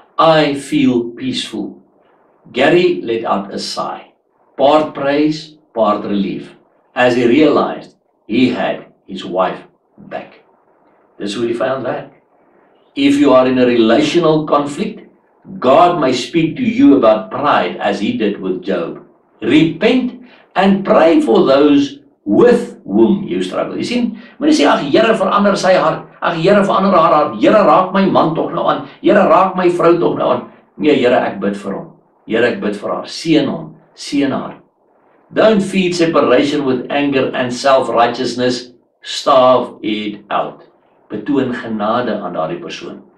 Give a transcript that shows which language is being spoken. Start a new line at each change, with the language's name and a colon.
English: I feel peaceful. Gary let out a sigh, part praise, part relief, as he realized he had his wife back. This is where he found that. If you are in a relational conflict, God may speak to you about pride as he did with Job. Repent and pray for those with whom you struggle. You see, when you say,
Afrikaans: ach, Here, verander sy hart. Ach, Here, verander haar hart. Here, raak my man toch nou aan. Here, raak my vrou toch nou aan. Nee, Here, ek bid vir hom. Here, ek bid vir haar. Seën hom. Seën haar.
English: Don't feed separation with anger and self-righteousness. Starve it out.
Afrikaans: Betoon genade aan daardie persoon.